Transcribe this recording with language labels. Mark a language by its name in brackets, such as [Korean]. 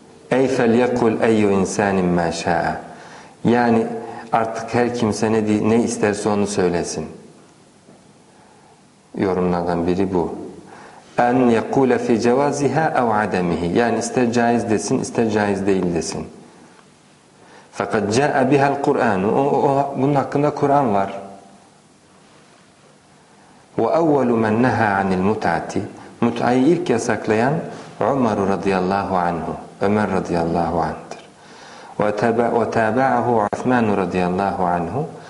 [Arabic] اَيْ فَلْيَقُلْ اَيُّ اِنْسَانٍ مَا شَاءَ. [Turkish] Yani artık her kimse ne isterse onu söylesin. Yorumlardan biri bu. [Arabic] اَنْ يَقُولَ فِي جَوَازِهَا اَوْ عَدَمِهِ. [Turkish] Yani ister caiz desin ister caiz değil desin. [Arabic] Fakat جَاءَ بِهَا الْقُرْآنُ. [Turkish] Bunun hakkında Kur'an var. [Arabic] وَاَوَّلُ مَنْ نَهَا عَنِ الْمُتَعَةِ. [Turkish] Mut'ayı ilk yasaklayan Ömer radıyallahu anhu. Ömer radıyallahu anh'tır. [Arabic] وَتَابَعَهُ عَثْمَانُ [Turkish] radıyallahu anhu.